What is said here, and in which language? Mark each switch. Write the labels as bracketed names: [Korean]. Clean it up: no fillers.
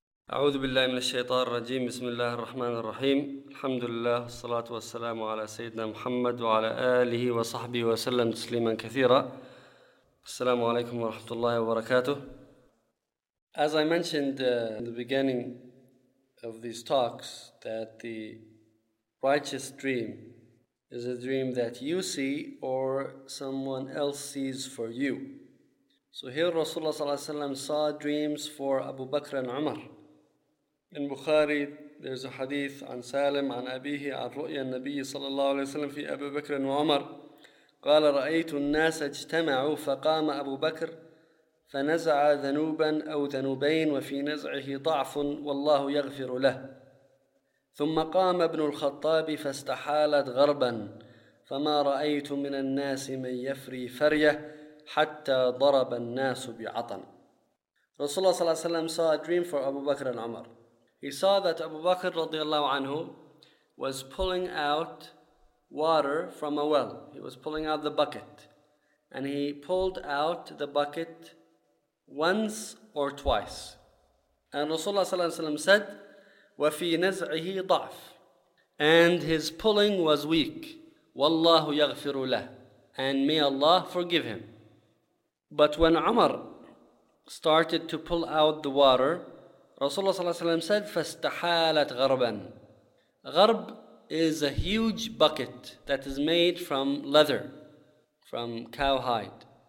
[Arabic] أعوذ بالله من الشيطان الرجيم. بسم الله الرحمن الرحيم. الحمد لله والصلاة والسلام على سيدنا محمد وعلى آله وصحبه وسلم تسليما كثيرا. السلام عليكم ورحمة الله وبركاته. [English] As I mentioned in the beginning of these talks, that the righteous dream is a dream that you see or someone else sees for you. So here Rasulullah صلى الله عليه وسلم saw dreams for Abu Bakr and Umar. In Bukhari, there's a hadith [Arabic] عن سالم عن أبيه عن رؤيا النبي صلى الله عليه وسلم في أبي بكر وعمر قال رأيت الناس اجتمعوا فقام أبو بكر فنزع ذنوبا أو ذنوبين وفي نزعه ضعف والله يغفر له ثم قام ابن الخطاب فاستحالت غربا فما رأيت من الناس من يفري فرية حتى ضرب الناس بعطن. رسول الله صلى الله عليه وسلم [English] saw a dream for [Arabic] أبو بكر وعمر. [English] He saw that Abu Bakr radiallahu anhu was pulling out water from a well. He was pulling out the bucket. And he pulled out the bucket once or twice. And Rasulullah صلى الله عليه وسلم said, [Arabic] وَفِي نَزْعِهِ ضَعْفٌ. [English] And his pulling was weak. [Arabic] وَاللَّهُ يَغْفِرُ لَهُ. [English] And may Allah forgive him. But when Umar started to pull out the water, Rasulullah صلى الله عليه وسلم said, [Arabic] فَاسْتَحَالَتْ غَرْبًا. [English] غَرْب is a huge bucket that is made from leather, from cowhide.